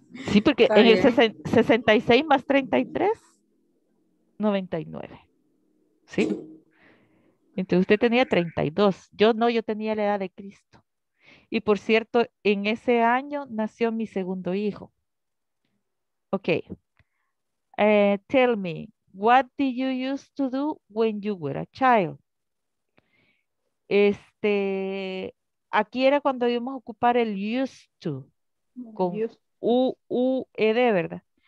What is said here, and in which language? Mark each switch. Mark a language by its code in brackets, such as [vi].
[es] Sí, porque está en bien. El 66 más 33, 99. ¿Sí? Entonces usted tenía 32. Yo no, yo tenía la edad de Cristo. Y por cierto, en ese año nació mi segundo hijo. Ok. [en] Tell me, what did you used to do when you were a child? [es] Este, aquí era cuando íbamos a ocupar el used to con U-U-E-D, ¿verdad?